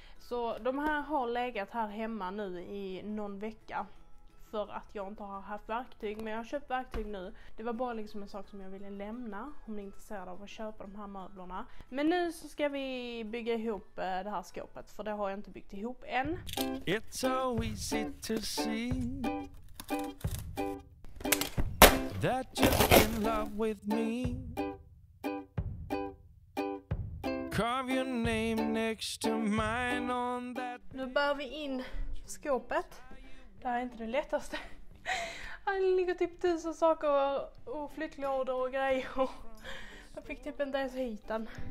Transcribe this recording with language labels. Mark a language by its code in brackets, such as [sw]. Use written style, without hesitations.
[sv] Så de här har legat här hemma nu i någon vecka. För att jag inte har haft verktyg, men jag har köpt verktyg nu. Det var bara liksom en sak som jag ville lämna om ni är intresserade av att köpa de här möblerna. Men nu så ska vi bygga ihop det här skåpet, för det har jag inte byggt ihop än. [en] It's so easy to see that you're in love with me. Carve your name next to mine on that. [sv] Nu bär vi in skåpet. Det här är inte det lättaste. Det ligger typ 1000 saker och flyttlådor och grejer. Jag fick typ inte ens hit den.